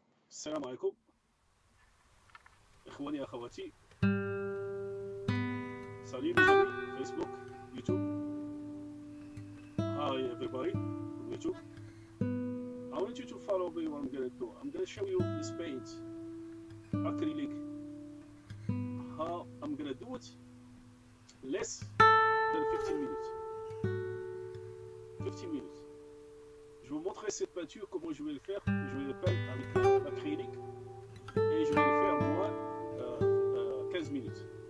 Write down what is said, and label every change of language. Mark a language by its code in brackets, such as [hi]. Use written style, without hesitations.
[ar] السلام عليكم اخواني اخواتي ساليم فيسبوك يوتيوب هاي [en] everybody from YouTube. I want you to follow me what I'm gonna do. I'm gonna show you this paint acrylic how I'm gonna do it less than 15 minutes. [fr] Je vais vous montrer cette peinture, comment je vais le faire. Je vais le peindre avec l'acrylique et je vais le faire moi 15 minutes.